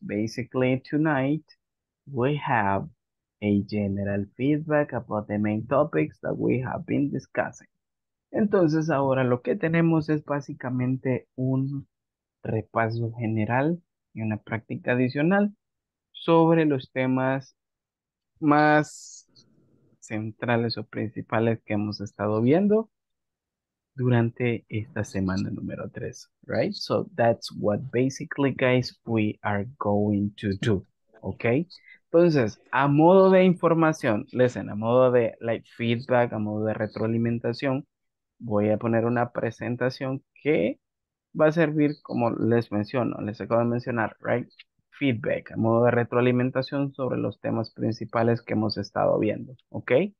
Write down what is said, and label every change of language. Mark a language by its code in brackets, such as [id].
[en] Basically, tonight we have a general feedback about the main topics that we have been discussing. [es] Entonces, ahora lo que tenemos es básicamente un repaso general y una práctica adicional sobre los temas más centrales o principales que hemos estado viendo durante esta semana número 3, right? [en] So that's what basically, guys, we are going to do, okay? [es] Entonces, a modo de información, listen, a modo de like feedback, a modo de retroalimentación, voy a poner una presentación que va a servir, como les menciono, les acabo de mencionar, right? Feedback, a modo de retroalimentación sobre los temas principales que hemos estado viendo, ¿ok?